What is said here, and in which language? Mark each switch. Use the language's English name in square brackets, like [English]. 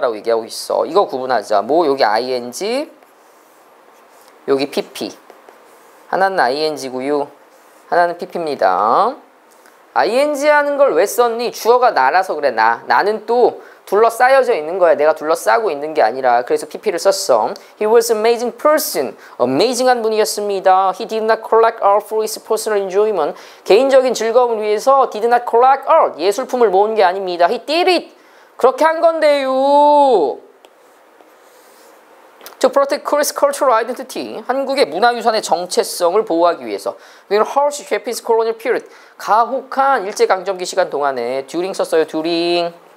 [Korean] 라고 얘기하고 있어. 이거 구분하자. 뭐 여기 ing, 여기 pp. 하나는 ing고요. 하나는 pp입니다. ing 하는 걸 왜 썼니? 주어가 나라서 그래. 나는 또 둘러싸여져 있는 거야. 내가 둘러싸고 있는 게 아니라. 그래서 pp를 썼어. [English] He was an amazing person. [Korean] Amazing한 분이었습니다. [English] He did not collect art for his personal enjoyment. [Korean] 개인적인 즐거움을 위해서 [English] did not collect art. [Korean] 예술품을 모은 게 아닙니다. [English] He did it. [Korean] 그렇게 한 건데요. [English] To protect Korea's cultural identity, [Korean] 한국의 문화유산의 정체성을 보호하기 위해서. [English] During the harsh Japanese colonial period, [Korean] 가혹한 일제강점기 시간 동안에 during 썼어요, during.